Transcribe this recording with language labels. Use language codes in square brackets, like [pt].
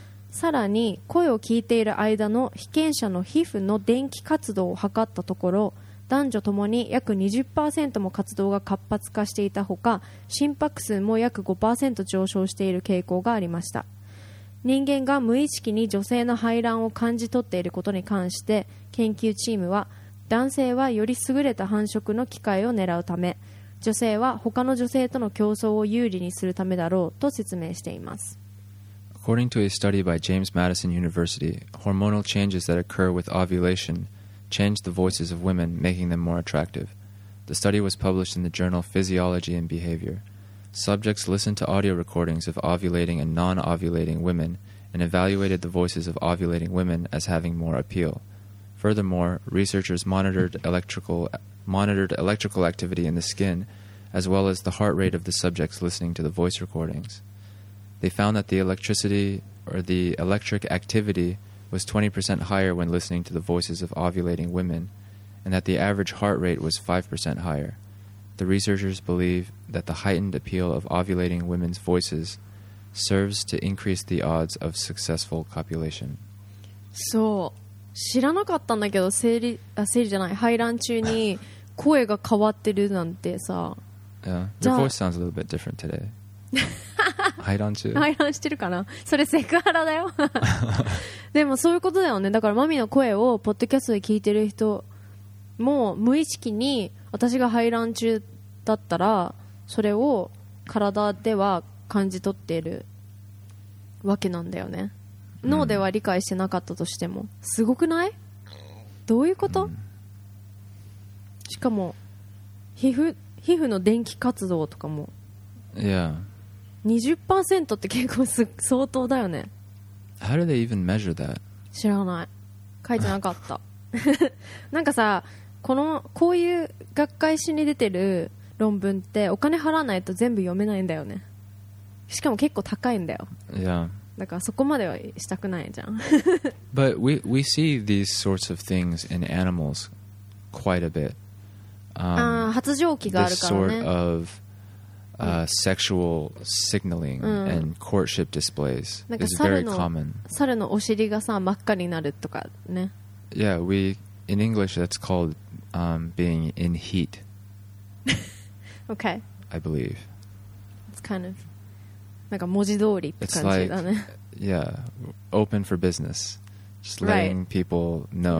[ja] さらに声を聞いている間の被験者の皮膚の電気活動を測ったところ男女ともに約 20% も活動が活発化していたほか心拍数も約 5% 上昇している傾向がありました。人間が無意識に女性の排卵を感じ取っていることに関して研究チームは男性はより優れた繁殖の機会を狙うため女性は他の女性との競争を有利にするためだろうと説明しています。 [en] According to a study by James Madison University, hormonal changes that occur with ovulation change the voices of women, making them more attractive. The study was published in the journal Physiology and Behavior. Subjects listened to audio recordings of ovulating and non-ovulating women and evaluated the voices of ovulating women as having more appeal. Furthermore, researchers monitored electrical activity in the skin, as well as the heart rate of the subjects listening to the voice recordings. They found that the electric activity was 20% higher when listening to the voices of ovulating women, and that the average heart rate was 5% higher. The researchers believe that the heightened appeal of ovulating women's voices serves to increase the odds of successful copulation. [ja] そう、知らなかったんだけど、生理じゃない、排卵中に声が変わってるなんてさ。 [en] Yeah, your voice sounds a little bit different today. [ja] 排卵してるかな。それセクハラだよ。でもそういうことだよね。だからマミの声をポッドキャストで聞いてる人も無意識に私が排卵中だったらそれを体では感じ取っているわけなんだよね。脳では理解してなかったとしてもすごくない？どういうこと？しかも皮膚の電気活動とかも、いや、 20% って結構相当だよね。 [en] How do they even measure that? [ja] 知らない。書いてなかった。なんかさ、こういう学会誌に出てる論文ってお金払わないと全部読めないんだよね。しかも結構高いんだよ。 [en] Yeah. [ja] だからそこまではしたくないじゃん。 [en] But we see these sorts of things in animals quite a bit. [ja] ああ、発情期があるからね。 [en] Sexual signaling and courtship displays is very common. [ja] 猿のお尻がさ真っ赤になるとかね。 [en] Yeah, we in English that's called being in heat. Okay. I believe. It's kind of [ja] なんか文字通りって感じだね。 [en] Yeah, open for business, just letting people know.